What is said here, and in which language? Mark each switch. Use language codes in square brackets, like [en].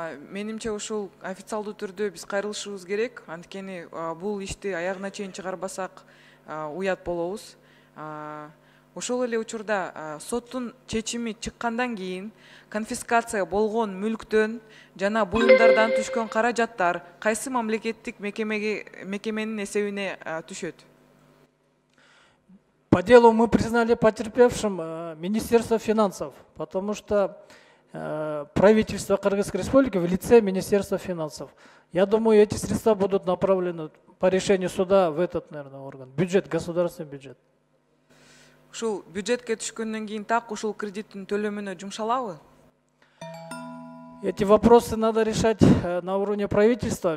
[ky] Менимче ушул официалдуу түрдө биз кайрылышыбыз керек, анткени бул ишти аягына чейин чыгарбасак уят болобуз. Ошол эле учурда соттун чечими чыккандан кийин конфискация болгон мүлктөн жана буюмдардан түшкөн каражаттар кайсы мамлекеттик мекеменин эсебине түшөт? [ru] По делу мы признали потерпевшим Министерство финансов, потому что правительство Кыргызской Республики в лице Министерства финансов. Я думаю, эти средства будут направлены по решению суда в этот, наверное, орган. Бюджет, государственный бюджет. [ky] Ушул бюджетке түшкөндөн кийин так ушул кредиттин төлөмүнө жумшалабы? [ru] Эти вопросы надо решать на уровне правительства.